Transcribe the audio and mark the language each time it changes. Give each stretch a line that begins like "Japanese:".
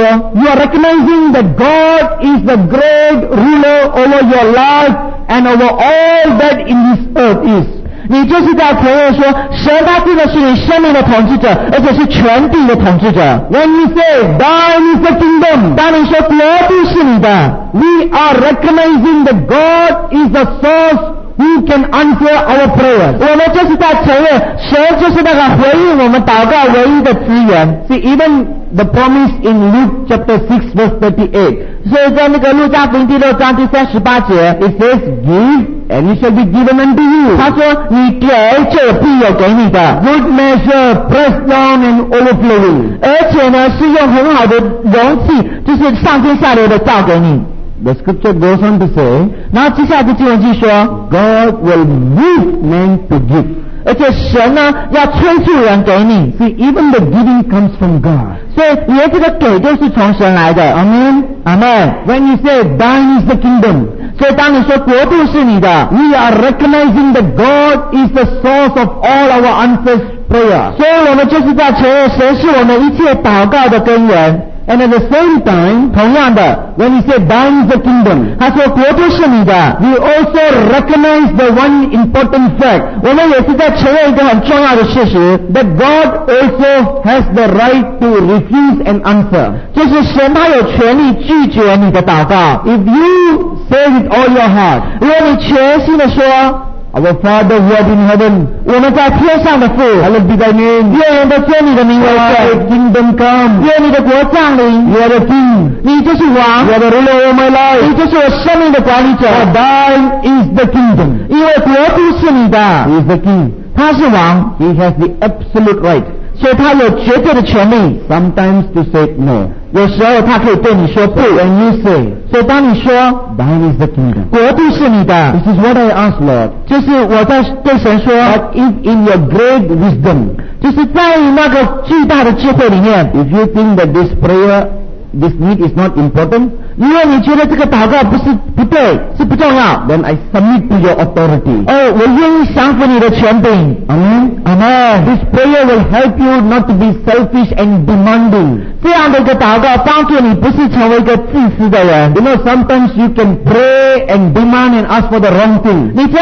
English: you are recognizing that God is the great ruler over your life and over all that in this earth is.
Chinese: 你就是在承认说, 神他真的是你生命的统治者, 而且是全地的统治者。
English: When you say, Thine is the kingdom,
Chinese: 当你说国度是你的,
English: we are recognizing that God is the source who can answer our prayers.
Chinese: 我们就是在承认, 神就是那个回应我们祷告唯一的资源。
English: See, even the promise in Luke chapter 6 verse 38,
Chinese: 所以在那个路加福音第六章第38节,
English: it says, give and it shall be given unto you.
Chinese: 他说你给就必有给你的,
English: good measure, pressed down and overflowing,
Chinese: 而且呢是用很好的容器, 就是上天下流的倒给你。
English: The scripture goes on to say,
Chinese: 然后接下来就经文记说,
English: God will move men to give,
Chinese: 而且神呢要催促人给你。
English: See, even the giving comes from God.
Chinese: 所以连这个给都是从神来的。
English: Amen. Amen. When you say, Thine is the kingdom,
Chinese: 所以当你说国度是你的,
English: we are recognizing that God is the source of all our answers prayer.
Chinese: 所以我们就是在承认神是我们一切祷告的根源。
English: And at the same time,
Chinese: 同样的,
English: when he said, thine is the kingdom,
Chinese: 他说国都是你的,
English: we also recognize the one important fact,
Chinese: 我们也是在承认一个很重要的事实,
English: that God also has the right to refuse an answer.
Chinese: 就是神他有权利拒绝你的祷告。
English: If you say with all your heart,
Chinese: 如果你全心地说,
English: Our Father who art in heaven,
Chinese: 我们在天上的父,
English: hallowed be thy name,
Chinese: 愿人的尊你的名为圣,
English: Thy kingdom come,
Chinese: 愿你的国降临,
English: You are the king,
Chinese: 你就是王,
English: You are the ruler of my life,
Chinese: 你就是我生命的管理者,
English: For thine is the kingdom,
Chinese: 因为国都是你的,
English: He is the king,
Chinese: 他是王,
English: He has the absolute right,
Chinese: 所以他有绝对的权利,
English: Sometimes to say no,
Chinese: 有时候他可以对你说不,
English: When you say,
Chinese: 所以当你说,
English: Thine is the kingdom,
Chinese: 国度是你的,
English: This is what I ask Lord,
Chinese: 就是我在对神说,
English: But if in your great wisdom,
Chinese: 就是在那个巨大的智慧里面,
English: If you think that this prayer, this need is not important,
Chinese: 因为你觉得这个祷告不是不对, 是不重要,
English: Then I submit to your authority,
Chinese: 我愿意降服你的权柄,
English: Amen, Amen, This prayer will help you not to be selfish and demanding,
Chinese: 这样的一个祷告帮助你不是成为一个自私的人,
English: You know sometimes you can pray and demand and ask for the wrong thing,